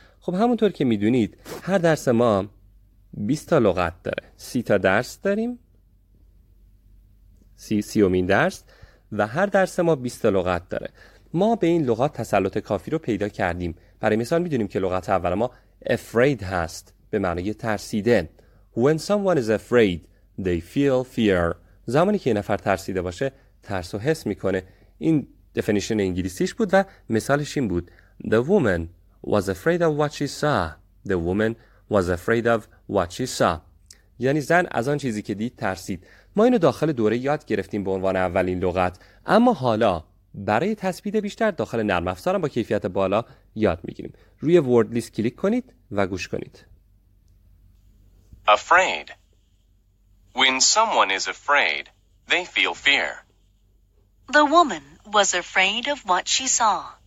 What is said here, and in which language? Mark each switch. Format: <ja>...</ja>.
<fa>خب همونطور که میدونید هر درس ما 20 تا لغت داره. 30 تا درس داریم. 30مین درس و هر درس ما 20 تا لغت داره. ما به این لغات تسلط کافی رو پیدا کردیم. برای مثال میدونیم که لغت اول ما afraid هست، به معنی ترسیده.</fa> <en>When someone is afraid, they feel fear.</en> <fa>زمانی که یه نفر ترسیده باشه، ترس رو حس میکنه. این دفنیشن انگلیسیش بود و مثالش این بود:</fa> <en>The woman was afraid of what she saw. The woman was afraid of what she saw.</en> <fa>یعنی زن از آن چیزی که دید ترسید. ما اینو داخل دوره یاد گرفتیم به عنوان اولین لغت، اما حالا برای تثبیت بیشتر داخل نرم افزارم با کیفیت بالا یاد میگیریم. روی ورد لیست کلیک کنید و گوش کنید.</fa> <en>Afraid. When someone is afraid, they feel fear. The woman was afraid of what she saw.</en>